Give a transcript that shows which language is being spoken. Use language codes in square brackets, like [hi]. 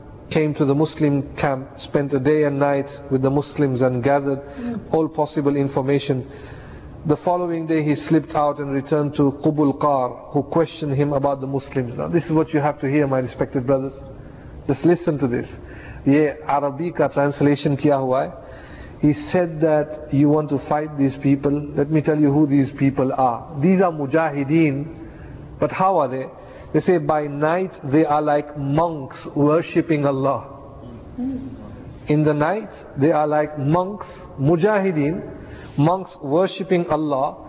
[en] came to the Muslim camp, spent a day and night with the Muslims and gathered all possible information. The following day he slipped out and returned to Qubul Qar, who questioned him about the Muslims. Now this is what you have to hear, my respected brothers. Just listen to this. [ur] یہ عربیکا translation کیا ہوا ہے۔ [en] He said that you want to fight these people. Let me tell you who these people are. These are Mujahideen. But how are they? They say by night they are like monks worshipping Allah. In the night they are like monks, Mujahideen, monks worshipping Allah.